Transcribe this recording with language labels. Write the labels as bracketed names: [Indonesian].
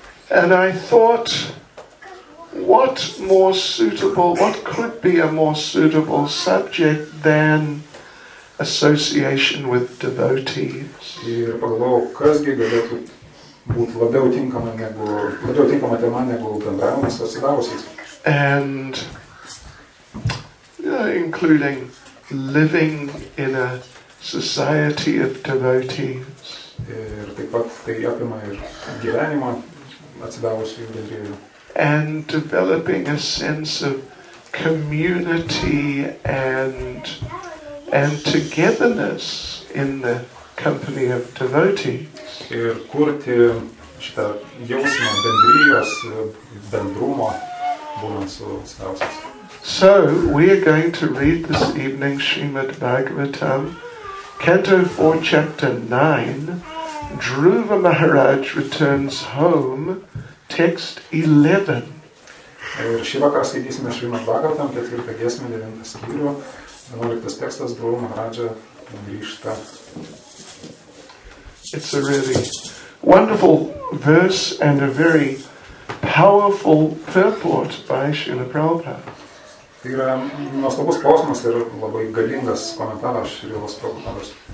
[English] And I thought, what more suitable, what could be a more suitable subject than association with devotees? [Lithuanian] Ir pagalvojau, kas gi galėtų būti labiau tinkama tema negu bendravimas su atsidavusiais. [English] And including living in a society of devotees. [Lithuanian] Ir taip pat tai apima ir gyvenimą atsidavusiųjų bendrijoje. [English] And developing a sense of community and togetherness in the company of devotees. [Lithuanian] Ir kurti šitą jausmą bendrijos, bendrumo būnant su atsidavusiais. [English] So, we are going to read this evening Srimad Bhagavatam, Canto 4, Chapter 9, Dhruva Maharaj Returns Home, Text 11. [Lithuanian] Ir šį vakarą skaitysime Šrimad Bhagavatam, ketvirtą giesmę, devintą skyrių, 11 tekstas, Dhruva Maharaja grįžta. [English] It's a really wonderful verse and a very powerful purport by Srila Prabhupada. [Lithuanian] Tai yra nuostabus klausimas ir labai galingas komentaras Šrilos Prabhupados.